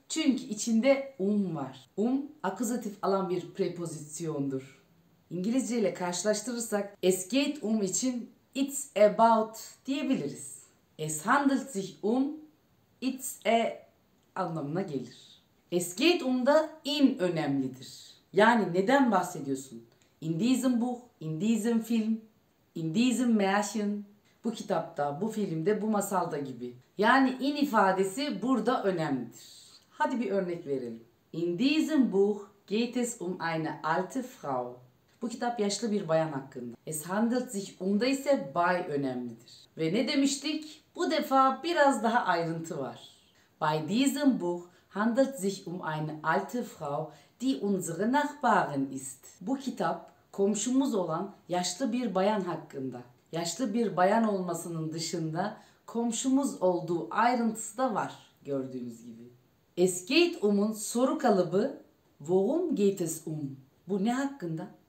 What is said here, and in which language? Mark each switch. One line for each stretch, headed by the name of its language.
Turkish: Çünkü içinde var. Akuzatif alan bir prepozisyondur. İngilizce ile karşılaştırırsak
German: es geht
Turkish: için
English: it's about
Turkish: diyebiliriz.
German: Es handelt sich
English: it's a
Turkish: anlamına gelir.
German: Es geht da in
Turkish: önemlidir. Yani neden bahsediyorsun?
German: In diesem Buch, in diesem Film, in diesem Märchen.
Turkish: Bu kitapta, bu filmde, bu masalda gibi. Yani in ifadesi burada önemlidir. Hadi bir örnek verelim.
German: In diesem Buch geht es eine alte Frau.
Turkish: Bu kitap yaşlı bir bayan hakkında.
German: Es handelt sich da
Turkish: ise bay önemlidir. Ve ne demiştik? Bu defa biraz daha ayrıntı var.
German: Bei diesem Buch handelt sich eine alte Frau, die unsere Nachbarin ist.
Turkish: Bu kitap komşumuz olan yaşlı bir bayan hakkında. Yaşlı bir bayan olmasının dışında komşumuz olduğu ayrıntısı da var gördüğünüz gibi. Es geht soru kalıbı
German: worum geht es
Turkish: Bu ne hakkında?